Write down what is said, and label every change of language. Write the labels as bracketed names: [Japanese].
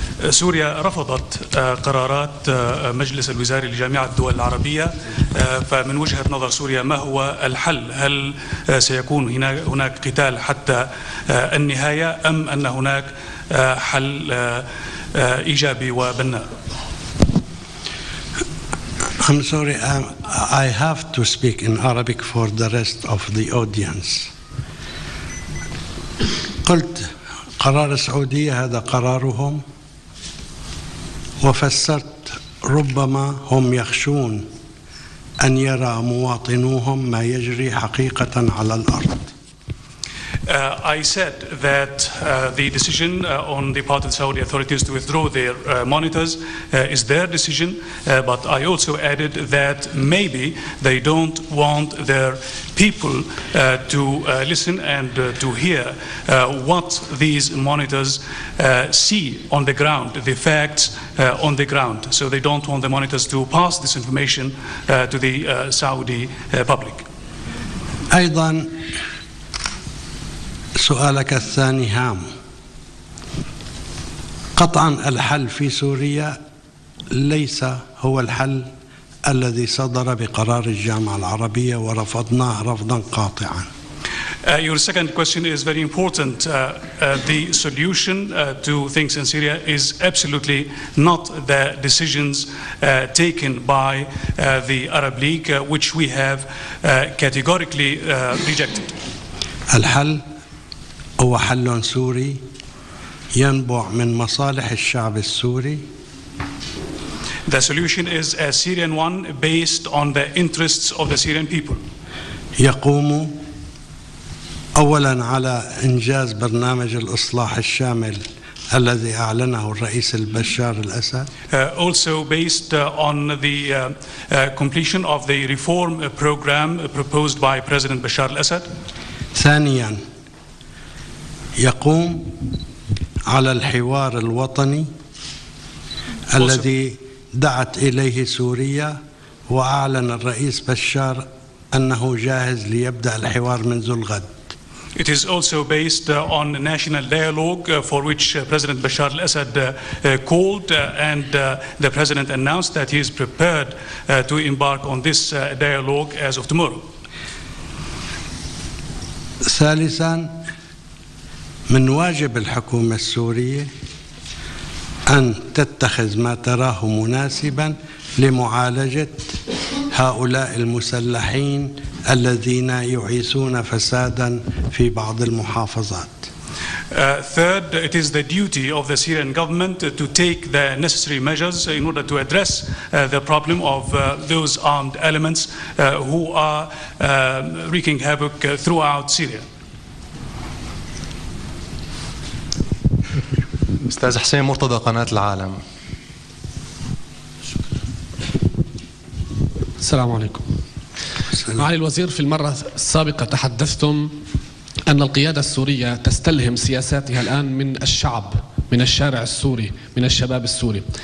[Arabic] سوريا رفضت قرارات مجلس الوزاري لجامعة الدول العربية، فمن وجهة نظر سوريا ما هو الحل؟ هل سيكون هناك قتال حتى النهاية، أم أن هناك حل إيجابي وبناء؟ [English] I'm sorry, I have to speak in Arabic for the rest of the audience. [Arabic] قلت قرار السعودية هذا قرارهم، وفسرت ربما هم يخشون أن يرى مواطنوهم ما يجري حقيقة على الأرض. [English] I said that the decision on the part of the Saudi authorities to withdraw their monitors is their decision, but I also added that maybe they don't want their people to listen and to hear what these monitors see on the ground, the facts on the ground. So they don't want the monitors to pass this information to the Saudi public. [Arabic] أيضا سؤالك الثاني هام. قطعا الحل في سوريا ليس هو الحل الذي صدر بقرار الجامعة العربية ورفضناه رفضا قاطعا. [English] Your second question is very important. The solution to things in Syria is absolutely not the decisions taken by the Arab League, which we have categorically rejected. [Arabic] الحل هو حل سوري ينبع من مصالح الشعب السوري. [English] The solution is a Syrian one based on the interests of the Syrian people. [Arabic] يقوم أولا على إنجاز برنامج الإصلاح الشامل الذي أعلنه الرئيس البشار الأسد. [English] Also based on the completion of the reform program proposed by President Bashar al-Assad. [Arabic] ثانيا يقوم على الحوار الوطني الذي دعت إليه سوريا وأعلن الرئيس بشار أنه جاهز ليبدأ الحوار منذ الغد. [English] It is also based on national dialogue for which President Bashar al-Assad called and the president announced that he is prepared to embark on this dialogue as of tomorrow. [Arabic] ثالثا من واجب الحكومة السورية أن تتخذ ما تراه مناسبا لمعالجة هؤلاء المسلحين الذين يعيثون فسادا في بعض المحافظات. [English] Third, it is the duty of the Syrian government to take the necessary measures in order to address the problem of those armed elements who are wreaking havoc throughout Syria. [Arabic] أستاذ حسين مرتضى قناة العالم. السلام عليكم. معالي الوزير، في المرة السابقة تحدثتم أن القيادة السورية تستلهم سياساتها الآن من الشعب، من الشارع السوري، من الشباب السوري.